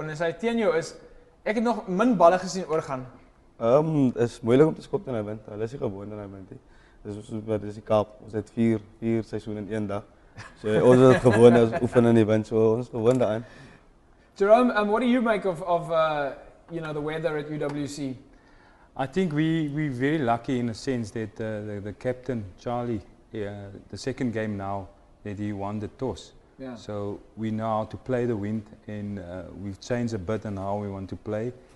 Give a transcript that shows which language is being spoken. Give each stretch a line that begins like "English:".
Afrikaans: En as hy teen jou is, ek het nog min balle gesien oorgaan. Is moeilik om te skop in die wind. Hulle is nie gewoond aan die wind nie. Dis die Kaap. Ons het vier seisoene in een dag. So ons is gewoond as oefen in die wind. So ons is gewoond daaraan.
English: Jerome, what do you make of the weather at UWC? I think we're very lucky in a sense that the captain, Charlie, the second game now, that he won the toss. Yeah. So we know how to play the wind, and we've changed a bit on how we want to play.